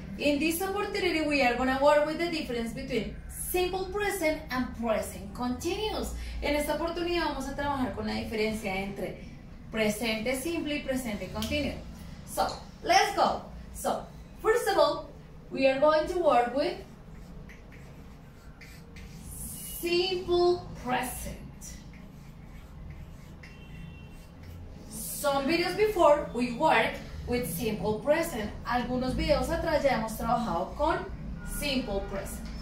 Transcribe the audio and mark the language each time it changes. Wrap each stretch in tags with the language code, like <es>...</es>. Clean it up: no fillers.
<en>In this opportunity, we are going to work with the difference between simple present and present continuous.</en> <es>En esta oportunidad vamos a trabajar con la diferencia entre presente simple y presente continuo.</es> <en>So, let's go. So, first of all, we are going to work with simple present. Some videos before, we work with simple present.</en> <es>Algunos videos atrás ya hemos trabajado con simple present.</es>